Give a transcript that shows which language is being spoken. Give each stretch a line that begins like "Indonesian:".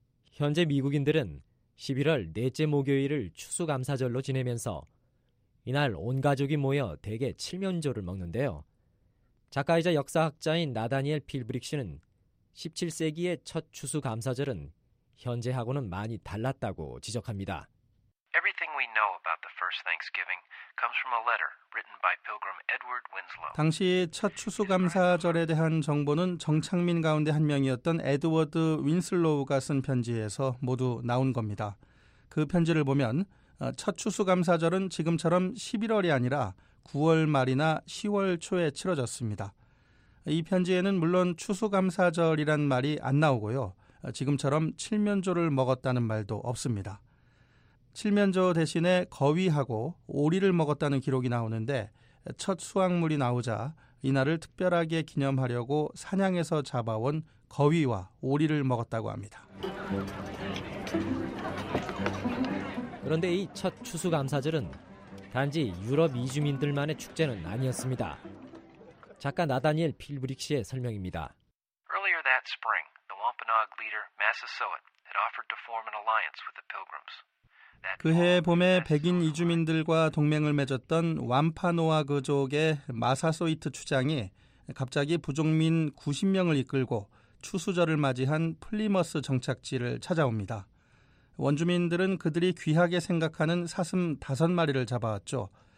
Korean: 현재 미국인들은 11월 넷째 목요일을 추수감사절로 지내면서 이날 온 가족이 모여 대개 칠면조를 먹는데요. 작가이자 역사학자인 나다니엘 필브릭 씨는 17세기의 첫 추수감사절은 현재하고는 많이 달랐다고 지적합니다.
English: Everything we know about the first Thanksgiving comes from a letter written by Pilgrim Edward Winslow.
Korean: 당시 첫 추수감사절에 대한 정보는 정착민 가운데 한 명이었던 에드워드 윈슬로우가 쓴 편지에서 모두 나온 겁니다. 그 편지를 보면 첫 추수감사절은 지금처럼 11월이 아니라 9월 말이나 10월 초에 치러졌습니다. 이 편지에는 물론 추수감사절이란 말이 안 나오고요. 지금처럼 칠면조를 먹었다는 말도 없습니다. 칠면조 대신에 거위하고 오리를 먹었다는 기록이 나오는데 첫 수확물이 나오자 이날을 특별하게 기념하려고 사냥에서 잡아온 거위와 오리를 먹었다고 합니다. 그런데 이 첫 추수감사절은 단지 유럽 이주민들만의 축제는 아니었습니다. 작가 나다니엘 필브릭 씨의 설명입니다.
English: Earlier that spring, the Wampanoag leader Massasoit had offered to form an alliance with the Pilgrims.
Korean: 그해 봄에 백인 이주민들과 동맹을 맺었던 완파노아그족의 마사소이트 추장이 갑자기 부족민 90명을 이끌고 추수절을 맞이한 플리머스 정착지를 찾아옵니다. 원주민들은 그들이 귀하게 생각하는 사슴 5마리를 잡아왔죠.